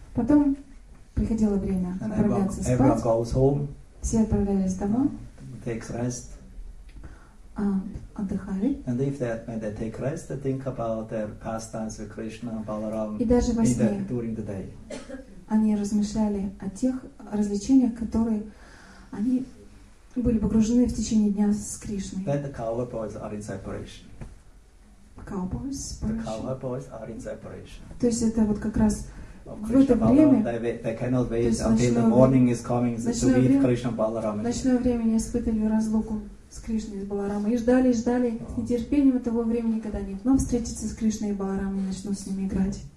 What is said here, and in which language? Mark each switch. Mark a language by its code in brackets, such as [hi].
[ru] Потом приходило время отправляться спать. [en] Everyone goes home. [ru] Все отправлялись домой. [en] Takes rest. [ru] Отдыхали. [en] And if they when they take rest, they think about their pastimes with Krishna and Balaram. [ru] И даже во сне. [en] During the day. [ru] Они размышляли о тех развлечениях, которые они были погружены в течение дня с Кришной. [en] Then the cowboys are in separation. Cowboys? The cowboys are in separation. [ru] То есть это вот как раз в это время. [en] They cannot wait until the morning is coming to meet Krishna Balarama. [ru] Ночное время они испытывали разлуку с Кришной и Баларамой. И ждали, ждали с нетерпением того времени, когда они вновь встретятся с Кришной и Баларамой и начнут с ними играть.